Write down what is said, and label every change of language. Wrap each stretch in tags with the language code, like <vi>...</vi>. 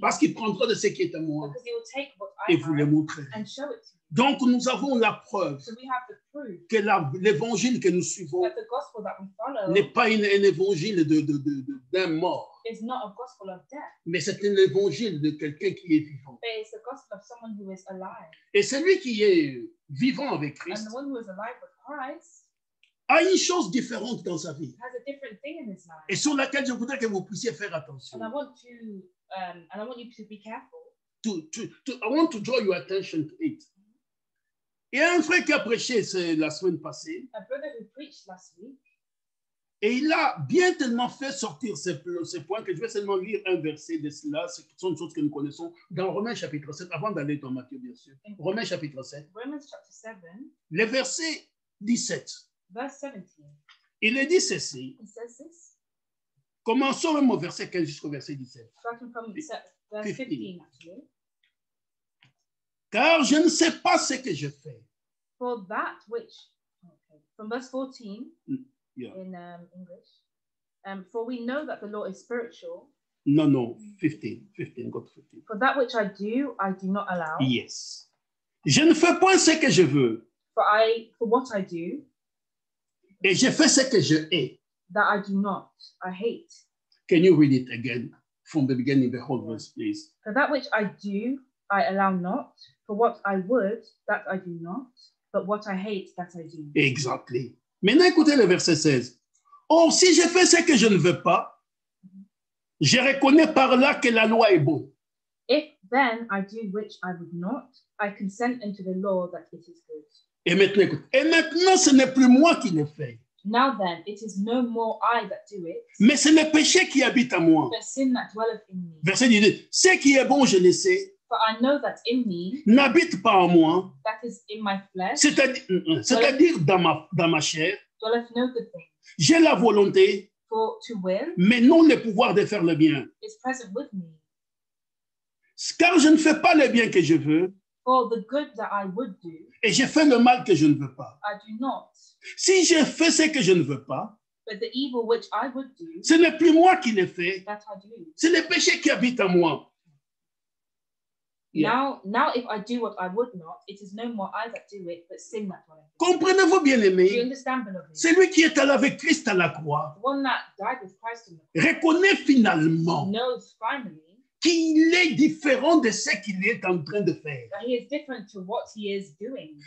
<fr>Parce qu'il prendra de ce qui est à moi.</fr> <en>Because he will take what I</en> <fr>et vous le montrer.</fr> <en>And show it to you.</en> <fr>Donc nous avons la preuve</fr> <en>so we have the proof</en> <fr>que l'évangile que nous suivons</fr> <en>that the gospel that we follow</en> <fr>n'est pas un évangile d'un mort.</fr> <en>It's not a gospel of death.</en> <fr>Mais c'est un évangile de quelqu'un qui est vivant.</fr> <en>But it's the gospel of someone who is alive.</en> <fr>Et celui qui est vivant avec Christ,</fr> <en>and the one who is alive with Christ</en> <fr>a une chose différente dans sa vie.</fr> <en>Has a different thing in his life.</en> <fr>Et sur laquelle je voudrais que vous puissiez faire attention.</fr> <en>And I want you to be careful. I want to draw your attention to it.</en> <fr>Il y a un frère qui a prêché la semaine passée.</fr> <en>A brother who preached last week.</en> <fr>Et il a bien tellement fait sortir ce point que je vais seulement lire un verset de cela. Ce sont des choses que nous connaissons dans Romains chapitre 7, avant d'aller dans Matthieu, bien sûr. Romains chapitre 7.</fr> <en>Romans chapter 7.</en> <fr>Le verset 17.</fr> <en>Verse 17.</en> <fr>Il est dit ceci.</fr> <en>He says this.</en> <fr>Commençons même au verset 15 jusqu'au verset 17.</fr> <en>Verse 15, actually.</en> <fr>Car je ne sais pas ce que je fais.</fr> <en>For that which, okay, from verse 14, yeah. In English, for we know that the law is spiritual. No, 15, go to 15. For that which I do not allow. Yes.</en> <fr>Je ne fais pas ce que je veux.</fr> <en>For what I do.</en> <fr>Et je fais ce que je hais.</fr> <en>That I do not, I hate. Can you read it again from the beginning, the whole verse, please? For that which I do, I allow not. For what I would, that I do not, but what I hate, that I do. Exactly.</en> <fr>Maintenant, écoutez le verset 16. Or, si je fais ce que je ne veux pas, je reconnais par là que la loi est bonne.</fr> <en>If then I do which I would not, I consent unto the law that it is good.</en> <fr>Et maintenant, écoutez. Et maintenant, ce n'est plus moi qui le fais.</fr> <en>Now then, it is no more I that do it.</en> <fr>Mais c'est le péché qui habite à moi.</fr> <en>The sin that dwelleth in me.</en> <fr>Verset 18. Ce qui est bon, je le sais.</fr> <en>For I know that in me,</en> <fr>n'habite pas en moi,</fr> <en>that is in my flesh,</en> <fr>c'est-à-dire dans ma chair,</fr> <en>dwelleth no good thing.</en> <fr>J'ai la volonté,</fr> <en>for to will,</en> <fr>mais non le pouvoir de faire le bien.</fr> <en>Is present with me.</en> <fr>Car je ne fais pas le bien que je veux,</fr> <en>for the good that I would do,</en> <fr>et je fais le mal que je ne veux pas.</fr> <en>I do not.</en> <fr>Si je fais ce que je ne veux pas,</fr> <en>but the evil which I would do,</en> <fr>ce n'est plus moi qui le fais,</fr> <en>that I do.</en> <fr>C'est le péché qui habite en moi.</fr> <en>Yeah. Now, if I do what I would not, it is no more I that do it, but sin that way.</en> <fr>Comprenez-vous bien aimé?</fr> <en>Do you understand, beloved?</en> <fr>Celui qui est allé avec Christ à la croix,</fr> <en>the one that died with Christ on the cross,</en> <fr>reconnaît finalement,</fr> <en>knows finally,</en> <fr>qu'il est différent de ce qu'il est en train de faire.</fr> <en>That he is different to what he is doing.</en>